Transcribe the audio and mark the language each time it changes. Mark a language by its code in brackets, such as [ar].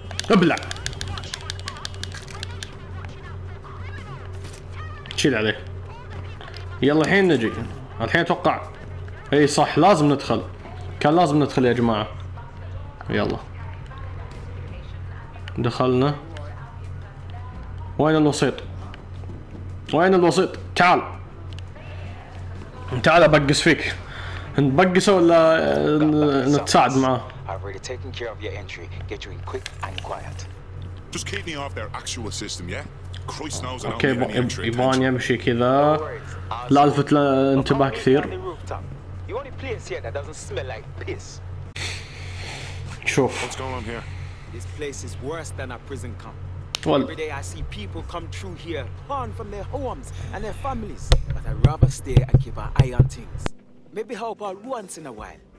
[ar] ابلع شيل عليه يلا الحين نجي الحين اتوقع اي صح لازم ندخل كان لازم ندخل يا جماعة يلا دخلنا وين الوسيط؟ وين الوسيط؟ تعال تعال ابقس فيك نبقسه ولا نتساعد معه؟ [en] I've already taken care of your entry. Get you in quick and quiet. Just keep me off their actual system, yeah? Christ knows I'll need an entry. [ar] يبغاني امشي كذا لا الفت انتباه كثير [en] You only place here that doesn't smell like piss. [ar] Shoof. [en] What's going on here? This place is worse than a prison camp. Well, every day I see people come through here torn from their homes and their families. But I'd rather stay and keep an eye on things. Maybe help out once in a while.